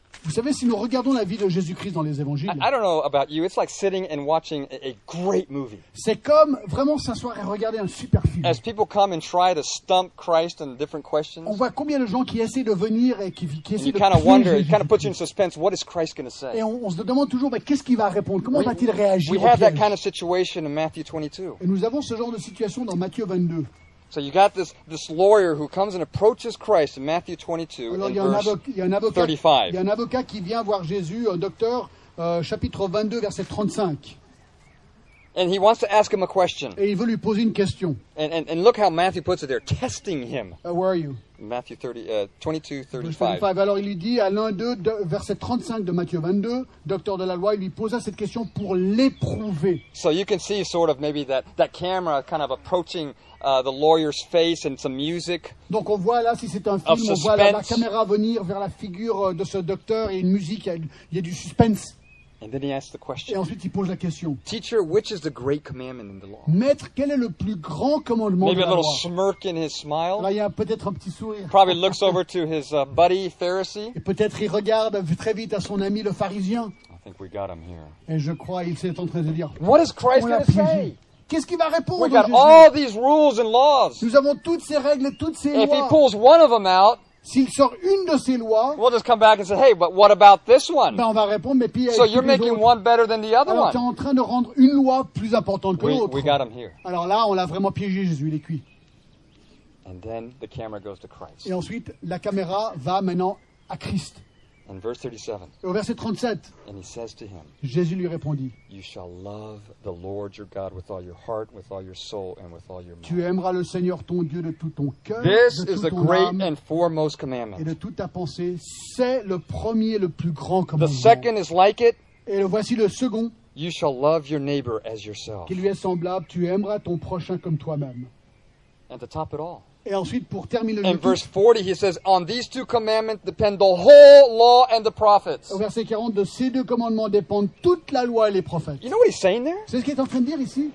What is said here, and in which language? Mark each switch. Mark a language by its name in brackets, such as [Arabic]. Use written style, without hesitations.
[French] Vous savez, si nous regardons la vie de Jésus-Christ dans les évangiles, [English] I don't know about you, it's like sitting and watching a great movie. [French] C'est comme vraiment s'asseoir et regarder un super film. [English] As people come and try to stump Christ in different questions, [French] on voit combien de gens qui essaient de venir et qui essaient [English] de kind of wonder, it kind of puts you in suspense, what is Christ going to say? [French] Et on se demande toujours, mais qu'est-ce qu'il va répondre? Comment va-t-il réagir? [English] We have that kind of situation in Matthew 22. [French] Et nous avons ce genre de situation dans Matthieu 22. [English] So you got this lawyer who comes and approaches Christ in Matthew 22 35. [French] Il y a un avocat qui vient voir Jésus, un docteur, chapitre 22, verset 35. [English] And he wants to ask him a question. [French] Et il veut lui poser une question. [English] And look how Matthew puts it there, testing him. Where are you? Matthew 22, 35. [French] Alors il lui dit à l'un d'eux, verset 35 de Matthieu 22, docteur de la loi, il lui posa cette question pour l'éprouver. [English] So you can see sort of maybe that camera kind of approaching the lawyer's face and some music. [French] Donc on voit là, si c'est un film, on voit là, la caméra venir vers la figure de ce docteur et une musique, il y a du suspense. [English] And then he asks the question. [French] Et ensuite, il pose la question. [English] Teacher, which is the great commandment in the law? [French] Maître, quel est le plus grand commandement [English] Maybe [French] de la loi? [English] Maybe a little smirk in his smile. [French] Là, il y a peut-être un petit sourire. [English] Probably looks over to his buddy Pharisee. [French] Et peut-être il regarde très vite à son ami le pharisien. [English] I think we got him here. [French] Et je crois il s'est en train de dire. [English] What is Christ going to say? [French] Qu'est-ce qu'il va répondre? [English] We got all these rules and laws. [French] Nous avons toutes ces règles et toutes ces lois. [English] If he pulls one of them out. [French] S'il sort une de ces lois, [English] we'll just come back and say, hey, but what about this one? [French] Ben on va répondre, mais puis, [English] so you're making [French] autres. [English] One better than the other [French] Alors, [English] one. [French] Tu es en train de rendre une loi plus importante que l'autre. [English] We got him here. [French] Alors là, on l'a vraiment piégé, Jésus, il est cuit. [English] And then the camera goes to Christ. [French] Et ensuite, la caméra va maintenant à Christ. [English] In verse 37. [French] Et au verset 37. [English] And he says to him. [French] Jésus lui répondit. [English] You shall love the Lord your God with all your heart, with all your soul, and with all your mind. [French] Tu aimeras le Seigneur ton Dieu de tout ton cœur, de toute ton âme. [English] This is the great and foremost commandment. [French] Et de toute ta pensée, c'est le premier, le plus grand commandement. [English] The second is like it. [French] Et voici le second. [English] You shall love your neighbor as yourself. [French] Qui lui est semblable, tu aimeras ton prochain comme toi-même. [English] And to top it all. [French] Et ensuite, pour terminer le [English] In verse 40, he says, "On these two commandments depend the whole law and the prophets." [French] Au verset 40, de ces deux commandements dépendent toute la loi et les prophètes. [English] You know what he's saying there? [French] C'est ce qu'il est en train de dire ici.